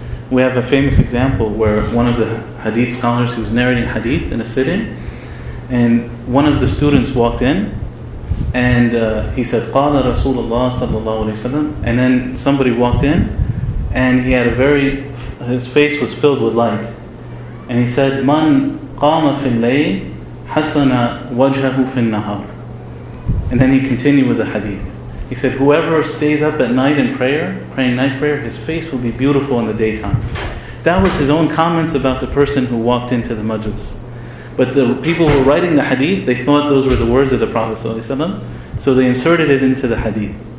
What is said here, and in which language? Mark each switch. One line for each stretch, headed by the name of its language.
English: We have a famous example where one of the hadith scholars who was narrating hadith in a sitting, and one of the students walked in, and he said,
Arabic: قَالَ رَسُولَ اللَّهِ صَلَّى اللَّهُ عَلَيْهِ وَسَلَّمَ.
English: And then somebody walked in, and he had his face was filled with light. And he said,
Arabic: مَنْ قَامَ فِي اللَّيْلِ حَسَّنَ وَجْهَهُ فِي النَّهَارِ.
English: And then he continued with the hadith. He said, whoever stays up at night in prayer, praying night prayer, his face will be beautiful in the daytime. That was his own comments about the person who walked into the majlis. But the people who were writing the hadith, they thought those were the words of the Prophet ﷺ, so they inserted it into the hadith.